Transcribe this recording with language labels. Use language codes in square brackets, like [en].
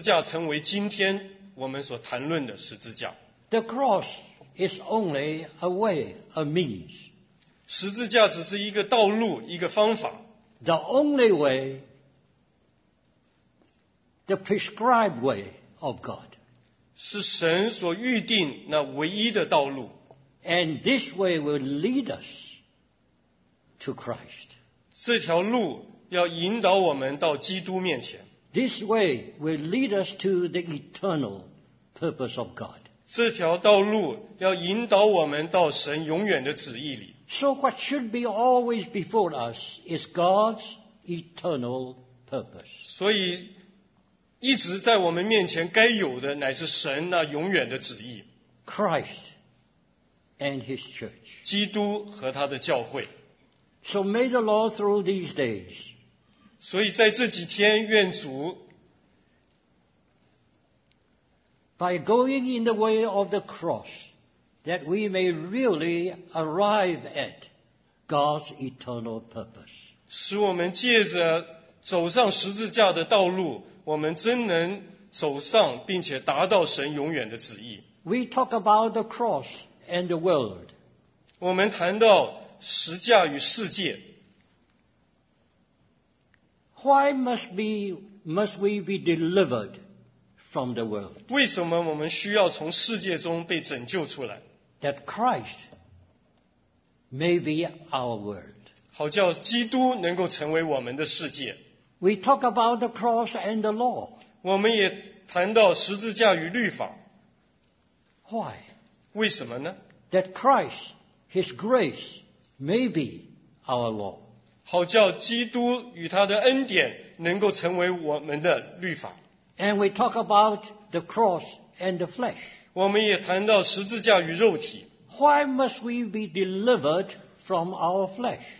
[zh] 是他使十字架成为今天我们所谈论的十字架。 [en] The cross is only a way, a means. [zh] 十字架只是一个道路, 一个方法。 [en] The only way, the prescribed way of God. [zh] 是神所预定那唯一的道路。 [en] And this way will lead us to Christ. [zh] 这条路要引导我们到基督面前。 [en] This way will lead us to the eternal purpose of God. [zh] 这条道路要引导我们到神永远的旨意里。 [en] So what should be always before us is God's eternal purpose. [zh] 所以 一直在我们面前该有的乃是神那永远的旨意。 [en] Christ and His church. [zh] 基督和他的教会。 [en] So may the Lord through these days. [zh] 所以在这几天愿主, [en] by going in the way of the cross, that we may really arrive at God's eternal purpose. [zh] 使我们借着走上十字架的道路, 我们真能走上并且达到神永远的旨意。 [en] We talk about the cross and the world. [zh] 我们谈到十字架与世界。 [en] Why must we be delivered from the world? [zh] 为什么我们需要从世界中被拯救出来? [en] That Christ may be our world. [zh] 好叫基督能够成为我们的世界。 [en] We talk about the cross and the law. [zh] 我们也谈到十字架与律法。 [en] Why? [zh] 为什么呢? [en] That Christ, His grace, may be our law. [zh] 好叫基督与他的恩典能够成为我们的律法。 [en] And we talk about the cross and the flesh. [zh] 我们也谈到十字架与肉体。 [en] Why must we be delivered from our flesh?